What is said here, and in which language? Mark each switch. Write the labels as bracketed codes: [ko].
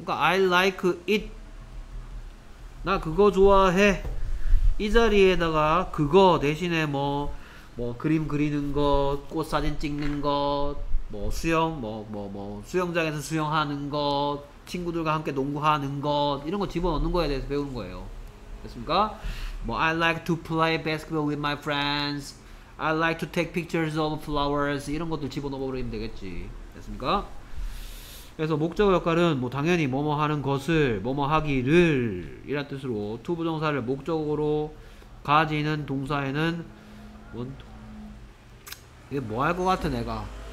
[ko] 그러니까 [en] I like it. [ko] 나 그거 좋아해. 이 자리에다가 그거 대신에 뭐 그림 그리는 것, 꽃 사진 찍는 것, 뭐 수영 뭐 수영장에서 수영하는 것, 친구들과 함께 농구하는 것, 이런 거 집어넣는 거에 대해서 배우는 거예요. 됐습니까? [en] 뭐 I like to play basketball with my friends. I like to take pictures of flowers. [ko] 이런 것들 집어넣어 버리면 되겠지. 됐습니까? 그래서 목적어 역할은 뭐 당연히 뭐뭐 하는 것을, 뭐뭐 하기를 이란 뜻으로 to 부정사를 목적으로 가지는 동사에는 뭔 이게 뭐 할 것 같아 내가.